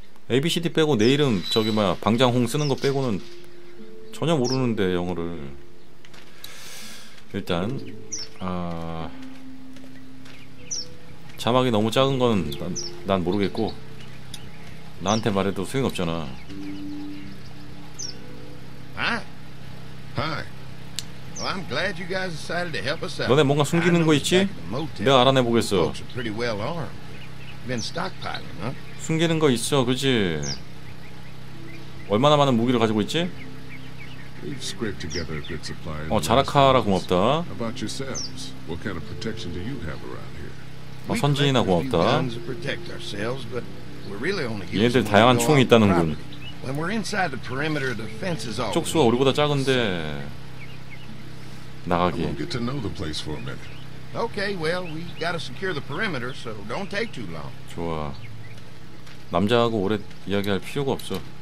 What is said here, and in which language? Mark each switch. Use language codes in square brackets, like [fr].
[ko] ABCD 빼고 내 이름 저기 뭐야 방장홍 쓰는 거 빼고는 전혀 모르는데 영어를. 일단 자막이 너무 작은 건 난 모르겠고 나한테 말해도 소용 없잖아. [en] Hi. Well, I'm glad you guys decided to help us out. [ko] 너네 뭔가 숨기는 거 있지? 내가 알아내 보겠어. [en] Well been stockpiling, huh? [ko] 숨기는 거 있어, 그렇지? 얼마나 많은 무기를 가지고 있지? [en] We've scraped together a good supply. [ko] 자라카라 고맙다. [en] About yourselves, what kind of protection do you have around here? [ko] 선진이나 고맙다. [en] We're really only [ko] 다양한 총이 있다는군. [en] When we're inside the perimeter, the fence is all. [ko] 쪽수가 우리보다 작은데 나가기. [en] I'll get to know the place for a minute. Okay, well, we gotta secure the perimeter, so don't take too long. [ko] 좋아. 남자하고 오래 이야기할 필요가 없어.